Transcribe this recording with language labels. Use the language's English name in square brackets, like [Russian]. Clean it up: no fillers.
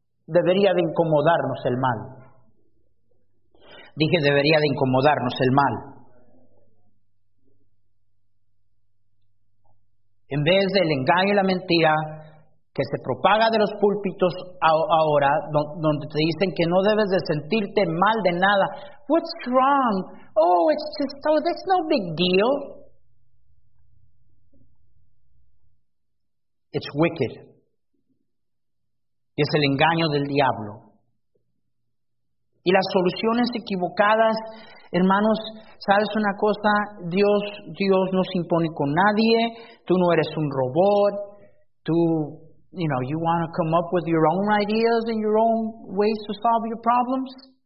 [Spanish] debería de incomodarnos el mal. Dije, debería de incomodarnos el mal. En vez del engaño y la mentira que se propaga de los púlpitos ahora, donde te dicen que no debes de sentirte mal de nada. [English] What's wrong? Oh, it's just, oh, that's no big deal. It's wicked. [Spanish] Y es el engaño del diablo. Y las soluciones equivocadas, hermanos, ¿sabes una cosa? Dios no se impone con nadie. Tú no eres un robot. [English] Tú, you know, you want to come up with your own ideas and your own ways to solve your problems?